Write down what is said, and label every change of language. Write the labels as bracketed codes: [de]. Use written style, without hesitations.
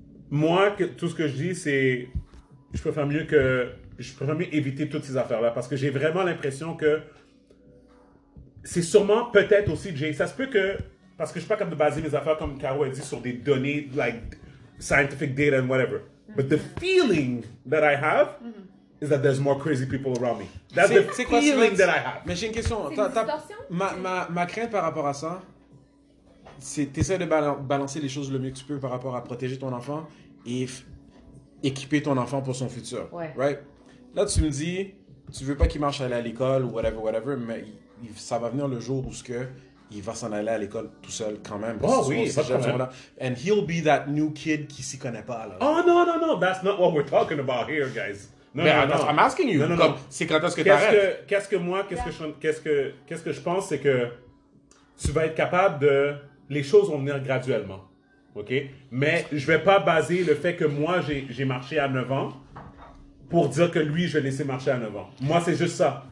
[fr] Moi, tout ce que je dis, c'est, je préfère mieux éviter toutes ces affaires-là parce que j'ai vraiment l'impression que c'est sûrement peut-être aussi, Jay, ça se peut que, parce que je ne suis pas capable de baser mes affaires comme Caro a dit sur des données, [en] like scientific data and whatever. Mm-hmm. But the feeling that I have is that there's more crazy people around me. That's the feeling that I have. [fr] Mais j'ai une question. Ma crainte par rapport à ça, c'est que tu essaies de balancer les choses le mieux que tu peux par rapport à protéger ton enfant et équiper ton enfant pour son futur. Ouais. [en] Right? [fr] Là, tu me dis, tu veux pas qu'il marche aller à l'école ou [en] whatever, whatever, [fr] mais ça va venir le jour où ce que il va s'en aller à l'école tout seul quand même. Oh oui, c'est ça. [en] And he'll be that new kid [fr] qui s'y connaît pas. Là. [en] Oh non, non, non, that's not what we're talking about here, guys. No, I'm asking you. [fr] Non. C'est quand est-ce que t'arrêtes? Qu'est-ce que je pense, c'est que tu vas être capable de. Les choses vont venir graduellement. OK? Mais je vais pas baser le fait que moi, j'ai marché à 9 ans. Pour dire que lui, je vais laisser marcher à 9 ans. Moi, c'est juste ça.